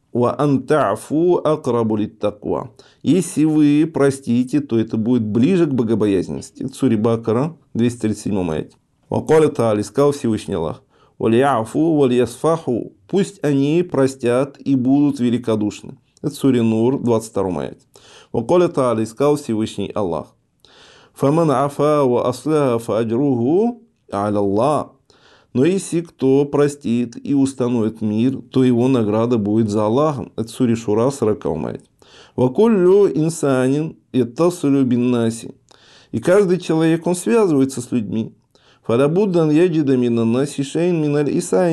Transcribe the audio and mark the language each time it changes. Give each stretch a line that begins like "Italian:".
Arabic: وأن تعفو أقرب للتقوى.
Russian: Если вы простите, то это будет ближе к богобоязненности. Сури Бакара, 237 аят.
Arabic: وقال تعالى,
Russian: сказал Всевышний Аллах,
Arabic: وليعفو وليصفحوا,
Russian: пусть они простят и будут великодушны. Это сури Нур, 22 аят.
Arabic: وقال تعالى,
Russian: сказал Всевышний Аллах,
Arabic: فمن عفا وأصلح فأجره على الله.
Russian: Но если кто простит и установит мир, то его награда будет за Аллахом. Это сури Шура, 40 аят.
Arabic: وكل إنسان يتصل بالناس.
Russian: И каждый человек, он связывается с людьми.
Arabic: فَلَبُدَّ أَنْ يَجِدَ مِنَ النَّاسِ شَيْئًا مِنَ الْإِسَاءَةِ.